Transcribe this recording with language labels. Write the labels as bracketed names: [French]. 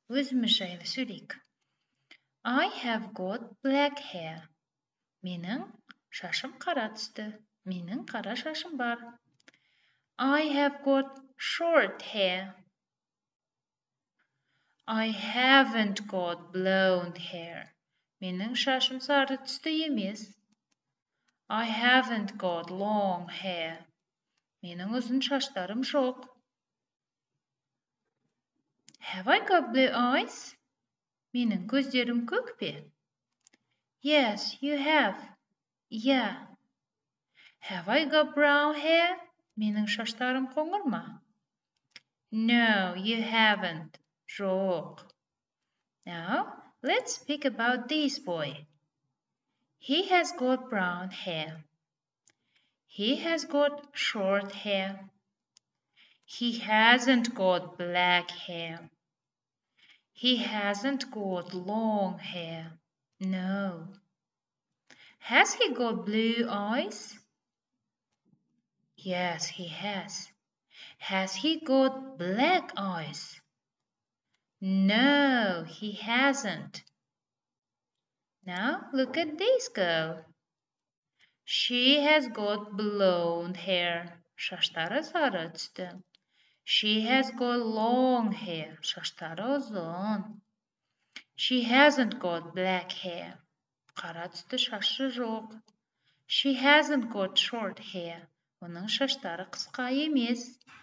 [Kazakh] Өзіміз жайлы сөйлейік. [English] I have got black hair. [Kazakh] Менің шашым қара түсті. Менің қара шашым бар. [English] I have got short hair. I haven't got blonde hair. [Kazakh] Менің шашым сары түсті емес. [English] I haven't got long hair. [Kazakh] Менің ұзын шаштарым жоқ. [English] Have I got blue eyes? [Kazakh] Менің көздерім көк пе? [English] Yes, you have. Yeah. Have I got brown hair? [Kazakh] Менің шаштарым қоңыр ма? [English] No, you haven't. [Kazakh] Жоқ. [English] Now, let's speak about this boy. He has got brown hair. He has got short hair. He hasn't got black hair. He hasn't got long hair. No. Has he got blue eyes? Yes, he has. Has he got black eyes? No, he hasn't. Now look at this girl. She has got blonde hair. [Kazakh] Шаштары сары түсті. [English] She has got long hair. [Kazakh] Шаштары ұзын. [English] She hasn't got black hair. [Kazakh] Қара түсті шашы жоқ. [English] She hasn't got short hair. [Kazakh] Оның шаштары қысқа емес.